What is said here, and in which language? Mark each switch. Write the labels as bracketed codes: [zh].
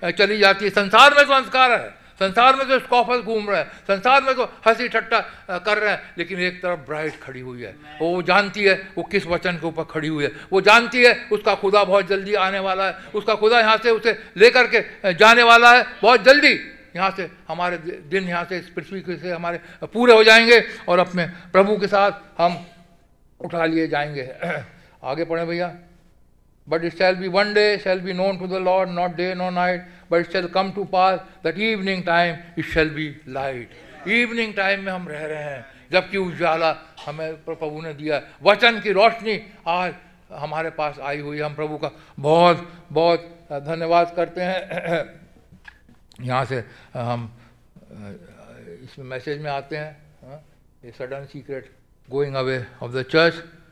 [hi] चली जाती है संसार में तो अंधकार है संसार में तो स्कॉफर्स घूम रहे हैं संसार में तो हंसी ठट्टा कर रहे हैं लेकिन एक तरफ ब्राइट खड़ी हुई है वो जानती है वो किस वचन के ऊपर खड़ी हुई है वो जानती है उसका खुदा बहुत जल्दी आने वाला है उसका खुदा यहाँ से उसे लेकर के जाने वाला है बहुत जल्दी यहाँ से हमारे दिन यहाँ से पृथ्वी से हमारे पूरे हो जाएंगे और अपने प्रभु के साथ हम उठा लिए जाएंगे आगे पढ़ें भैया [en] But it shall be one day, shall be known to the Lord, not day nor night. But it shall come to pass that evening time, it shall be light. [hi] Evening time में हम रह रहे हैं जबकि उजाला हमें प्रभु ने दिया वचन की रोशनी आज हमारे पास आई हुई हम प्रभु का बहुत बहुत धन्यवाद करते हैं यहाँ से हम इस मैसेज में आते हैं [en] a sudden secret going away of the church